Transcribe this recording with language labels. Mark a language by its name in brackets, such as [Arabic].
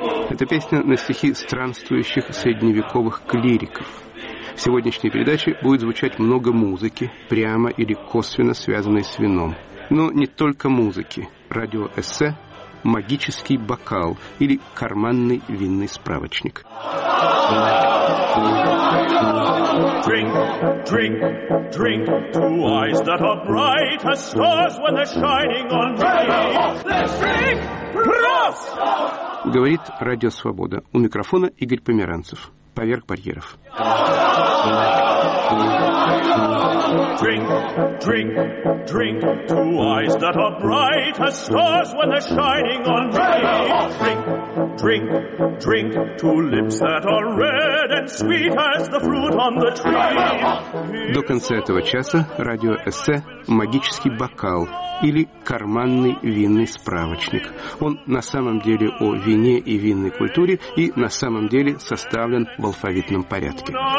[Russian] Эта песня на стихи странствующих средневековых клириков. В сегодняшней передаче будет звучать много музыки, прямо или косвенно связанной с вином. Но не только музыки. Радиоэссе «Магический бокал» или «Карманный винный справочник». [English] Drink, drink, drink to eyes that are bright as stars when they're shining on me. Let's drink! [German] Prost! [Russian] Говорит «Радио Свобода». У микрофона Игорь Померанцев. «Поверх барьеров». [English] Drink, drink, drink to eyes that are bright as stars when they're shining on me. Drink, drink, drink to lips that are red and sweet as the fruit on the tree. [Russian] До конца этого часа радиоэссе «Магический бокал» или «Карманный винный справочник». Он на самом деле о вине и винной культуре и на самом деле составлен в алфавитном порядке.